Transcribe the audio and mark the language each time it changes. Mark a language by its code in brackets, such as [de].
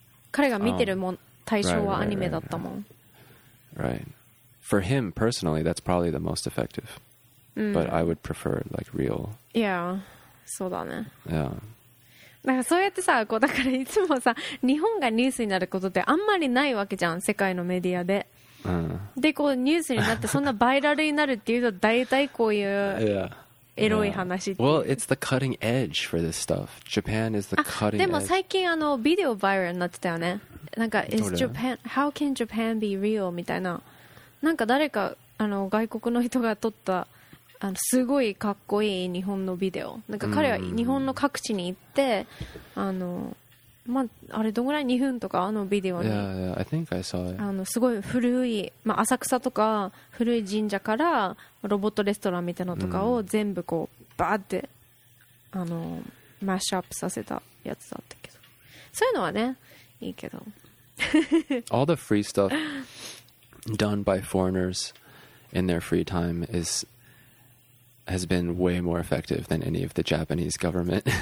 [ja] 彼が見てるもん、対象はアニメだったもん。 [en] Right. For him personally, that's probably the most effective. But I would prefer like real. Yeah, [ja] そうだね。 [en] Yeah. [ja] だからそうやってさ、こうだからいつもさ、日本がニュースになることってあんまりないわけじゃん、世界のメディアで。でこうニュースになってそんなバイラルになるっていうと大体こういうエロい話。 [en] Yeah. Well, it's the cutting edge for this stuff. Japan is the cutting edge. [ja] でも最近あのビデオバイラルになってたよね。なんか [en] is Japan? How can Japan be real? [ja] みたいな。なんか誰かあの外国の人が撮った。あのすごいかっこいい日本のビデオ。なんか彼は日本の各地に行って、あの、まあ、あれどんぐらい2分とかあのビデオに。 [en] Yeah, I think I saw it. [ja] あのすごい古い、まあ、浅草とか古い神社からロボットレストランみたいなのとかを全部こうバーってあのマッシュアップさせたやつだったけど、そういうのはねいいけど。 [en] All the free stuff done by foreigners in their free time is has been way more effective than any of the Japanese government.